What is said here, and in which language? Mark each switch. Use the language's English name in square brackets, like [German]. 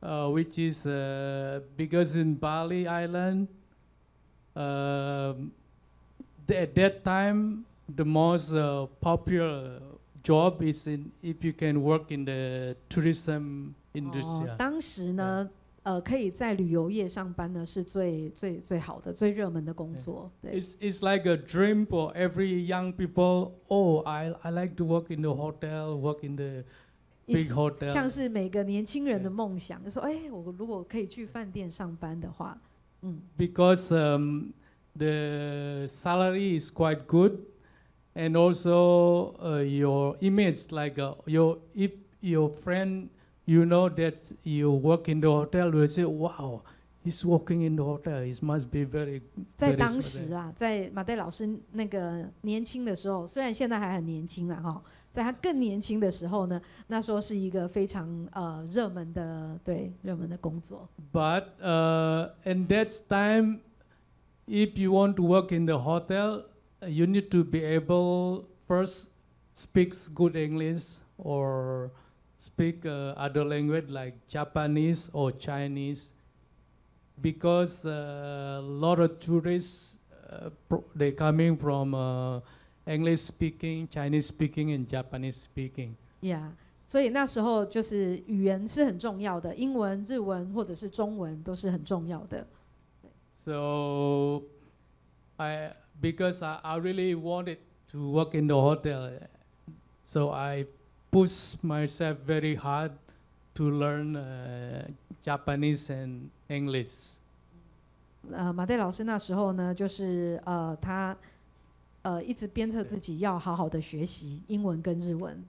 [English] which is because in Bali Island, at that time the most popular job is in if you can work in the tourism industry. [Chinese] 当时呢，可以在旅游业上班呢，是最好的、最热门的工作。 [English] It's like a dream for every young people. Oh, I like to work in the hotel, work in the big hotel. [Chinese] 像是每个年轻人的梦想，就说：“哎，我如果可以去饭店上班的话，嗯。” [English] Because the salary is quite good, and also your image, like your friend. You know that you work in the hotel, you say, wow, he's working in the hotel, he must be very good. [Chinese] 在当时啊，在马代老师那个年轻的时候，虽然现在还很年轻了哈，在他更年轻的时候呢，那时候是一个非常热门的，对，热门的工作。 [English] But in that time, if you want to work in the hotel, you need to be able first speak good English or. Speak other language like Japanese or Chinese, because a lot of tourists they coming from English speaking, Chinese speaking, and Japanese speaking. [Chinese] Yeah, 所以那时候就是语言是很重要的，英文、日文或者是中文都是很重要的。 [English] So, I really wanted to work in the hotel, so I push myself very hard to learn Japanese and English. [Chinese] 马代老师那时候呢，就是他一直鞭策自己要好好的学习英文跟日文。